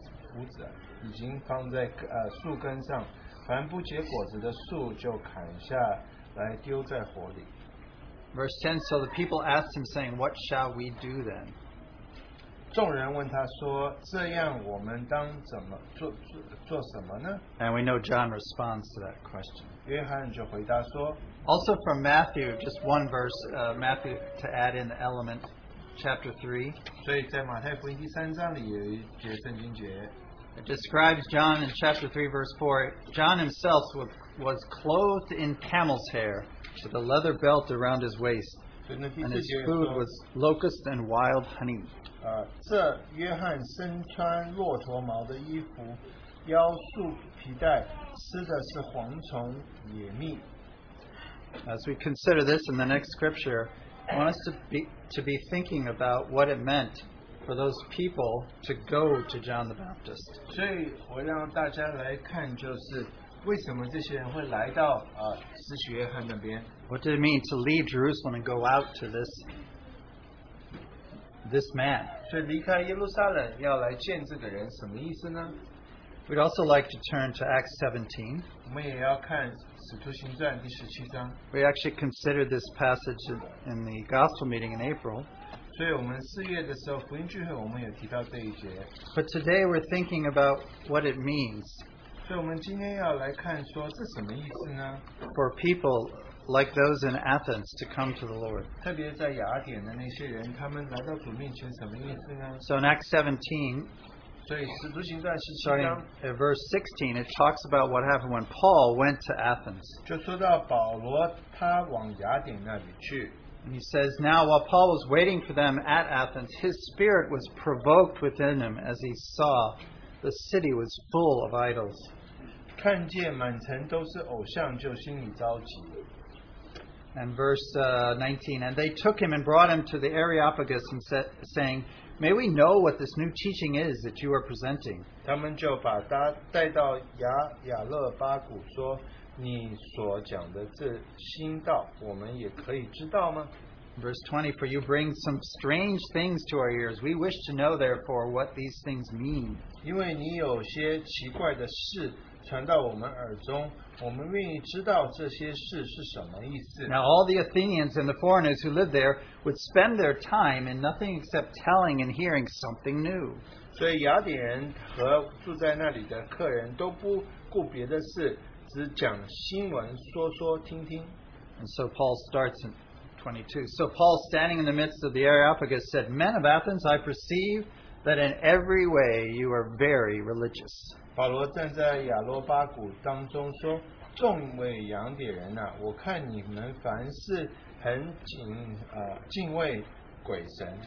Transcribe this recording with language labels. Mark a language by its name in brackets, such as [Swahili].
[Chinese] 枯子，已经放在树根上，凡不结果子的树就砍下来丢在火里。 [English] Verse 10, so the people asked him, saying, what shall we do then? [Chinese] 众人问他说，这样我们当怎么做 做什么呢? [English] And we know John responds to that question. [Chinese] 约翰就回答说, [English] also from Matthew, just one verse, Matthew to add in the element, chapter 3. [Chinese] 所以在马太福音第三章里有一节圣经节。 [English] It describes John in chapter 3, verse 4. John himself was clothed in camel's hair with a leather belt around his waist, and his food was locust and wild honey. [Chinese] 这约翰身穿骆驼毛的衣服，腰束皮带，吃的是蝗虫野蜜。 [English] As we consider this in the next scripture, I want us to be thinking about what it meant for those people to go to John the Baptist. [Chinese] 所以我让大家来看，就是为什么这些人会来到使徒约翰那边。 [English] What did it mean to leave Jerusalem and go out to this man? [Chinese] 所以离开耶路撒冷要来见这个人，什么意思呢？ [English] We'd also like to turn to Acts 17. [Chinese] 我们也要看使徒行传第十七章。 [English] We actually considered this passage in the gospel meeting in April. [Chinese] 所以我们四月的时候，福音聚会我们有提到这一节。 [English] But today we're thinking about what it means. [Chinese] 所以我们今天要来看说这什么意思呢？ [English] For people like those in Athens to come to the Lord. [Chinese] 特别在雅典的那些人，他们来到主面前什么意思呢？ [English] So in Acts 17, [Chinese] 所以使徒行传十七章 [English] at verse 16, it talks about what happened when Paul went to Athens. [Chinese] 就说到保罗他往雅典那里去。 [English] And he says, now while Paul was waiting for them at Athens, his spirit was provoked within him as he saw the city was full of idols. [Chinese] 看见满城都是偶像就心里着急。 [English] And verse 19, and they took him and brought him to the Areopagus and said, saying, may we know what this new teaching is that you are presenting? [Chinese] 他们就把他带到亚勒巴谷说你所讲的这新道，我们也可以知道吗？ [English] Verse 20, for you bring some strange things to our ears. We wish to know, therefore, what these things mean. [Chinese] 因为你有些奇怪的事传到我们耳中，我们愿意知道这些事是什么意思。 [English] Now all the Athenians and the foreigners who lived there would spend their time in nothing except telling and hearing something new. [Chinese] 所以雅典人和住在那里的客人都不顾别的事，只讲新闻，说说听听。 [English] And so Paul starts in 22. So Paul, standing in the midst of the Areopagus, said, "Men of Athens, I perceive that in every way you are very religious." [Chinese] 保罗站在亚罗巴谷当中说，众位雅典人啊，我看你们凡事很敬畏鬼神。